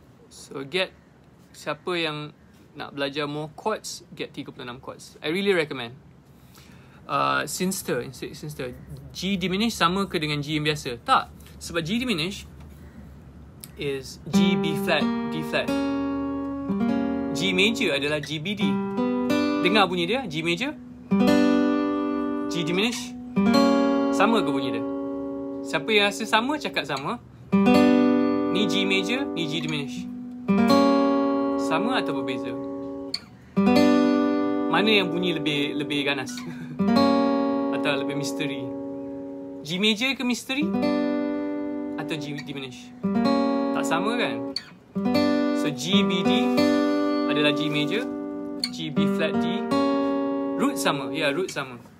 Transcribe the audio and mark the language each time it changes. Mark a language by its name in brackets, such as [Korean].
[English] So get, [Malay] siapa yang nak belajar [English] more chords, get 36 chords. I really recommend Sinister. [Malay] G diminished sama ke dengan G yang biasa? Tak. Sebab G diminished [English] is [Malay] G, B flat, D flat. G major adalah G, B, D. Dengar bunyi dia, G major, G diminished. Sama ke bunyi dia? Siapa yang rasa sama, cakap sama. Ni G major, ni G diminished. Sama atau berbeza? Mana yang bunyi lebih ganas? Atau lebih misteri? G major ke misteri? Atau G diminished? Tak sama kan? So G, B, D adalah G major. G, B flat, D. Root sama. Ya, root sama.